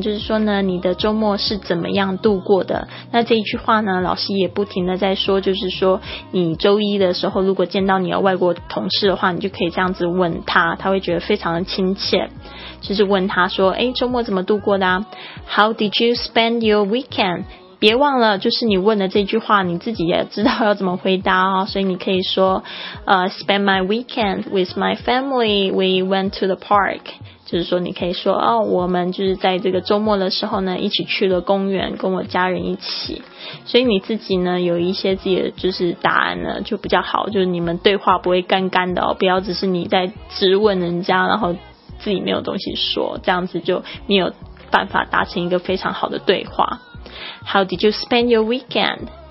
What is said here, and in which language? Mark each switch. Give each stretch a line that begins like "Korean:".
Chinese: 就是说呢，你的周末是怎么样度过的？那这一句话呢，老师也不停的在说，就是说你周一的时候，如果见到你的外国同事的话，你就可以这样子问他，他会觉得非常的亲切，就是问他说，诶，周末怎么度过的啊？
English: How did you spend your weekend?
Chinese: 别忘了，就是你问的这句话，你自己也知道要怎么回答哦。所以你可以说，
English: spend my weekend with my family. We went to the park.
Chinese: 就是说，你可以说，哦，我们就是在这个周末的时候呢，一起去了公园，跟我家人一起。所以你自己呢，有一些自己的就是答案呢，就比较好，就是你们对话不会干干的哦，不要只是你在直问人家，然后自己没有东西说，这样子就没有办法达成一个非常好的对话。
English: How did you spend your weekend?